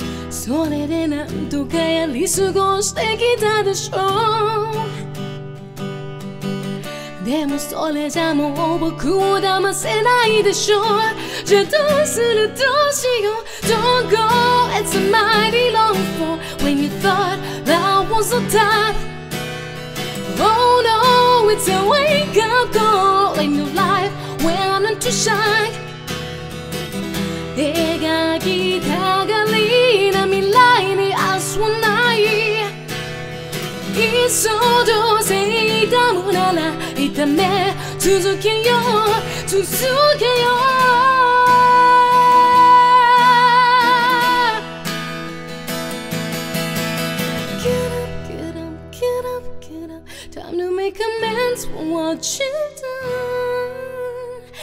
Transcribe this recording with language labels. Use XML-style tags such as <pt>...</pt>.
<ja>それでなんとかやり過ごしてきたでしょう。でもそれじゃもう僕を騙せないでしょう。じゃあどうするどうしよう。</ja> <en>Don't go, it's a mighty long fall when you thought that was a death. Oh no, it's a wake up call and your life went into shock.</en> <ja>描きたがりな未来に明日はない。いっそどうせ痛むなら痛め続けよう続けよう。</ja> <en>Get up, get up, get up, get up. Time to make amends for what you've done.</en>